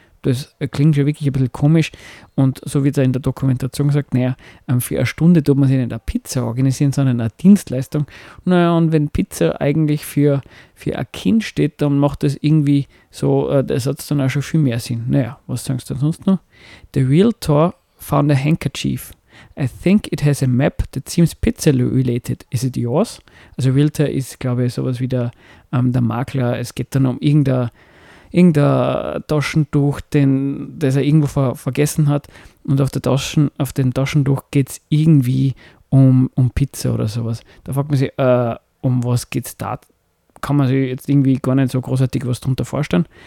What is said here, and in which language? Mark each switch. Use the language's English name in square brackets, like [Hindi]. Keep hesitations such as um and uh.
[German] Das klingt ja wirklich ein bisschen komisch. Und so wird es in der Dokumentation gesagt, naja, ähm, für eine Stunde tut man sich nicht eine Pizza organisieren, sondern eine Dienstleistung. Naja, und wenn Pizza eigentlich für, für ein Kind steht, dann macht das irgendwie so, äh, der Satz dann auch schon viel mehr Sinn. Naja, was sagst du denn sonst noch? [English] The Realtor found a handkerchief. I think it has a map that seems pizza related. Is it yours? [German] Also Realtor ist, glaube ich, sowas wie der, ähm, der Makler. Es geht dann um irgendein, irgendein Taschentuch, den, das er irgendwo ver vergessen hat. Und auf, der Taschen, auf dem Taschentuch geht es irgendwie um, um Pizza oder sowas. Da fragt man sich, äh, um was geht es da? Kann man sich jetzt irgendwie gar nicht so großartig was drunter vorstellen.